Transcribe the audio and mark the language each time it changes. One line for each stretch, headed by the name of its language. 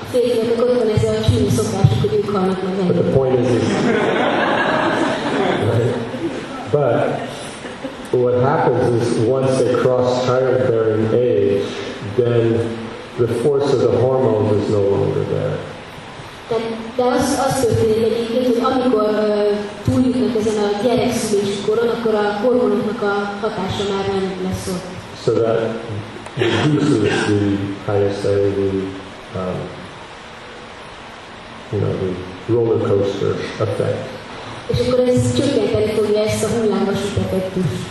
English: But the point is, right? But what happens is once they cross childbearing age, then the force of the hormones is no longer there.
Hungarian: De az azt történik egyébként, hogy amikor túljutnak ezen a gyerekszülés koron, akkor a hormonoknak a hatása már nem lesz ott.
English: So that reduces the highest energy, the roller coaster effect.
Hungarian: És akkor ez csökkenteni fogja ezt a hullámvasút effektus.